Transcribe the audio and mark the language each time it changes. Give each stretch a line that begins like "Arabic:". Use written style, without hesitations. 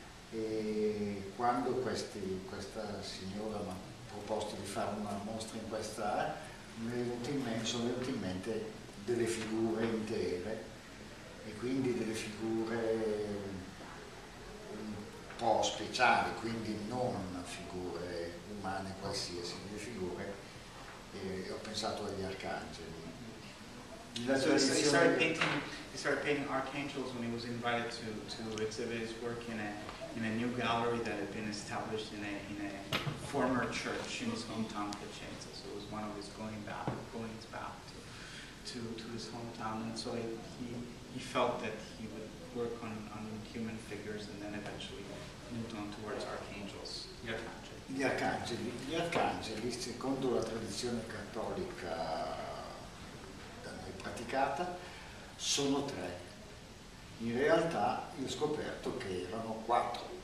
Italian: E quando questa signora mi ha proposto di fare una mostra in questa, mi sono venute in mente delle figure intere, e quindi delle figure un po' speciali, quindi non figure umane qualsiasi, delle figure, e ho pensato agli arcangeli.
English: He started painting archangels when he was invited to exhibit his work in a new gallery that had been established in a former church in his hometown, Piacenza. So it was one of his goings back to his hometown, and so he felt that he would work on human figures and then eventually moved on towards archangels.
Italian: Gli arcangeli, secondo la tradizione cattolica da noi praticata, sono tre. In realtà io ho scoperto che erano quattro.